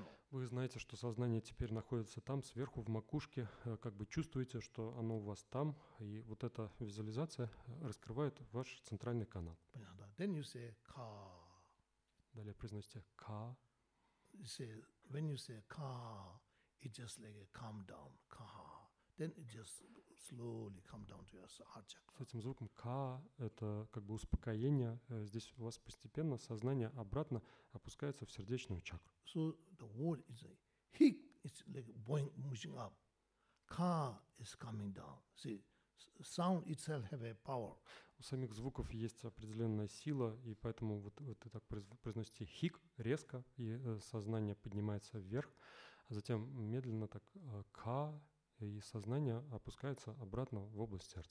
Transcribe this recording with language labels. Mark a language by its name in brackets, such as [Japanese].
[Russian] Вы знаете, что сознание теперь находится там, сверху, в макушке, как бы чувствуете, что оно у вас там, и вот эта визуализация раскрывает ваш центральный канал. [English] Then you say, ka. [Russian] Далее произносите ka. [English] When you say ka, it just like a calm down, ka. Then it just slowly come down to your heart chakra. [Russian] С этим звуком ка это как бы успокоение. Здесь у вас постепенно сознание обратно опускается в сердечную чакру. [English] So the word is like hik, it's like boing, moving up. Ka is coming down. See, sound itself have a power. [Russian] У самих звуков есть определенная сила, и поэтому вот вы так произносите хик резко, и сознание поднимается вверх, а затем медленно так ка. И сознание опускается обратно в область сердца.